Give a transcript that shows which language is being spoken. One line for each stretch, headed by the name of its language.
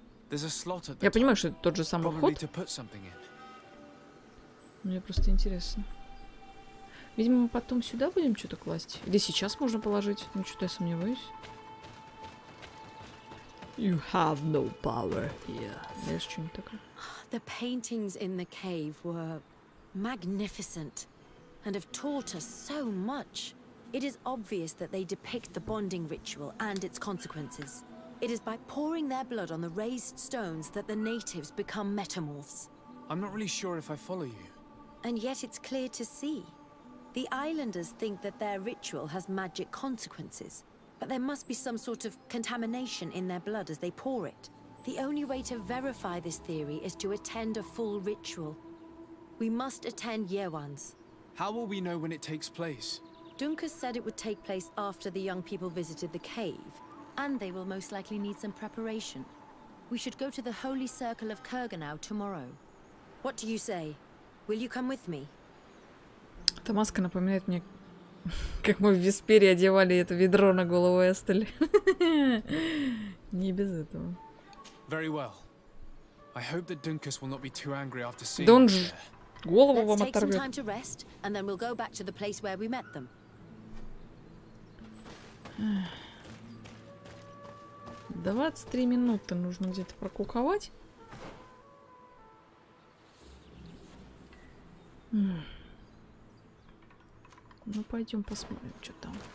Russian: Я понимаю, что это тот же самый вход. Мне просто интересно. Видимо, мы потом сюда будем что-то класть. Или сейчас можно положить? Ну, что-то я сомневаюсь.
English: You have no power here.
Russian: Знаешь, что-нибудь такое?
English: The paintings in the cave were magnificent and have taught us so much. It is obvious that they depict the bonding ritual and its consequences. It is by pouring their blood on the raised stones that the natives become metamorphs. I'm not really sure if I follow you. And yet it's clear to see. The islanders think that their ritual has magic consequences, but there must be some sort of contamination in their blood as they pour it. The only way to verify this theory is to attend a full ritual. We must attend Yewan's. How will we know when it takes place? Dunkus said it would take place after the young people visited the cave. And they will most likely need some preparation. We should go to the Holy Circle of Kurganau tomorrow. What do you say? Will you come with me?
Russian: Эта маска напоминает мне, как мы в Веспере одевали это ведро на голову Эстель. Не без этого.
English: Very well. I hope that Dunkus will not be too angry after seeing.
Russian: Дунж, голову вам оторвет.
English: Let's take some time to rest, and then we'll go back to the place where we met them.
Russian: Двадцать три минуты нужно где-то прокуковать. Ну, пойдем посмотрим, что там.